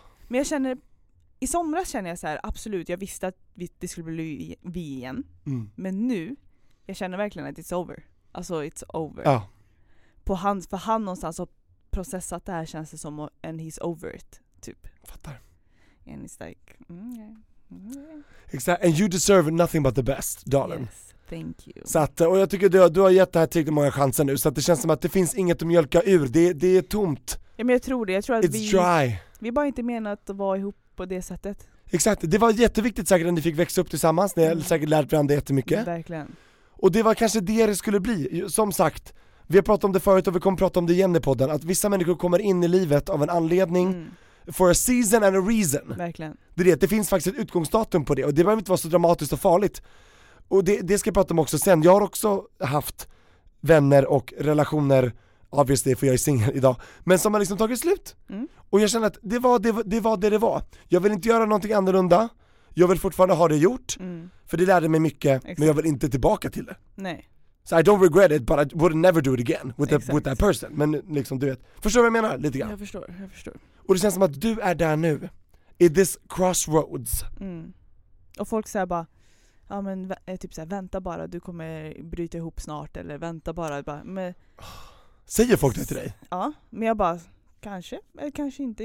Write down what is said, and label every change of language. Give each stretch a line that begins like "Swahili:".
Swedish: Men jag känner, i somras känner jag så här, absolut, jag visste att vi, det skulle bli vi igen. Mm. Men nu, jag känner verkligen att
English: it's over. Alltså, it's over.
Swedish: Ja. På han, för han någonstans har processat det här, känns det som en
English: he's over it,
Swedish: typ. Fattar.
English: And it's like, Exactly. And you deserve nothing but the best, darling. Yes. Thank you.
Swedish: Så att, och jag tycker att du har gett det här tillräckligt många chanser nu, så att det känns som att det finns inget att mjölka ur. Det är tomt. Ja, men jag tror det. Jag tror att
English: it's dry.
Swedish: Vi bara inte menat att vara ihop på det sättet. Exakt. Det var jätteviktigt säkert när ni fick växa upp tillsammans. Ni har säkert lärt varandra jättemycket. Verkligen. Och det var kanske det skulle bli. Som sagt, vi har pratat om det förut och vi kommer prata om det igen i podden. Att vissa människor kommer in i livet av en anledning. Mm.
English: For a season and a reason.
Swedish: Verkligen. Det finns faktiskt ett utgångsdatum på det. Och det behöver inte vara så dramatiskt och farligt. Och det ska jag prata om också sen. Jag har också haft vänner och relationer,
English: obviously,
Swedish: för jag är singel idag, men som har liksom tagit slut. Mm. Och jag känner att det var. Jag vill inte göra någonting annorlunda. Jag vill fortfarande ha det gjort. Mm. För det lärde mig mycket. Exakt. Men jag vill inte tillbaka till det. Nej.
English: So I don't regret it, but I would never do it again with that person.
Swedish: Men liksom, du vet. Förstår vad jag menar lite grann? Jag förstår. Och det känns som att du är där nu.
English: I this crossroads. Mm.
Swedish: Och folk säger bara, ja, men typ så här, vänta bara, du kommer bryta ihop snart, eller vänta bara. Men, säger folk det till dig? Ja, men jag bara, kanske, eller kanske inte.